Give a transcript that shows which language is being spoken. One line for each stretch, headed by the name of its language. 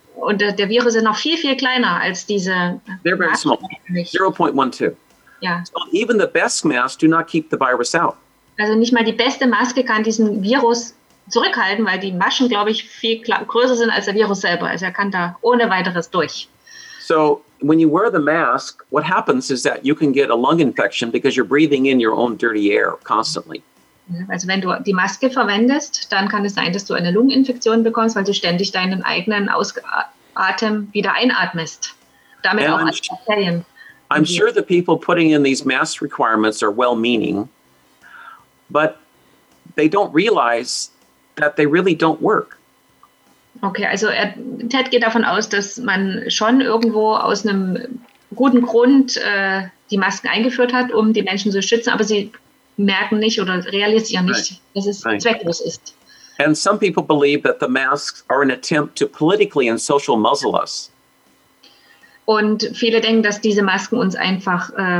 German: Und der Virus ist noch viel, viel kleiner als diese.
English: They're very Masken. Small. 0.12. Yeah. So even the best masks do not keep the virus out.
German: Also nicht mal die beste Maske kann diesen Virus zurückhalten, weil die Maschen, glaube ich, viel größer sind als der Virus selber. Also kann da ohne weiteres durch.
English: So when you wear the mask, what happens is that you can get a lung infection because you're breathing in your own dirty air constantly.
German: Also wenn du die Maske verwendest, dann kann es sein, dass du eine Lungeninfektion bekommst, weil du ständig deinen eigenen Atem wieder einatmest. Damit auch als Bakterien.
English: I'm sure the people putting in these mask requirements are well-meaning, but they don't realize that they really don't work.
German: Okay, also Ted geht davon aus, dass man schon irgendwo aus einem guten Grund die Masken eingeführt hat, um die Menschen zu schützen, aber sie merken nicht oder realisieren nicht, right. dass es right. zwecklos ist.
English: And some people believe that the masks are an attempt to politically and social muzzle us.
German: Und viele denken, dass diese Masken uns einfach